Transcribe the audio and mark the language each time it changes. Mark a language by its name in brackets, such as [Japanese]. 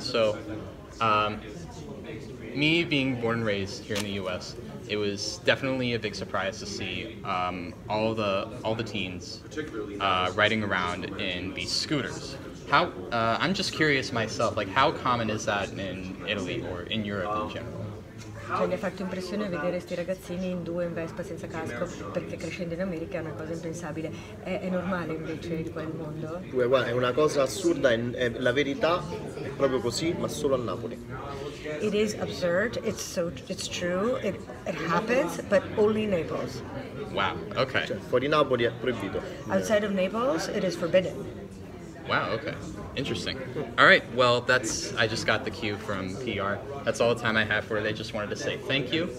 [English] So me being born and raised here in the US, it was definitely a big surprise to see all the teens riding around in these scooters. How I'm just curious myself, like, how common is that in Italy or in Europe in general? [Italian] Cioè, mi ha fatto impressione vedere questi ragazzini in due in Vespa senza casco, perché crescendo in America è una cosa impensabile. È normale invece in quel mondo? È una cosa assurda, è la verità è proprio così, ma solo a Napoli. [English] It is absurd, it's true, it happens, but only in Naples. Wow, okay. [Italian] Cioè, fuori Napoli è proibito. [English] Outside of Naples, it is forbidden. Wow, okay. Interesting. All right, well, I just got the cue from PR. That's all the time I have for it. I just wanted to say thank you.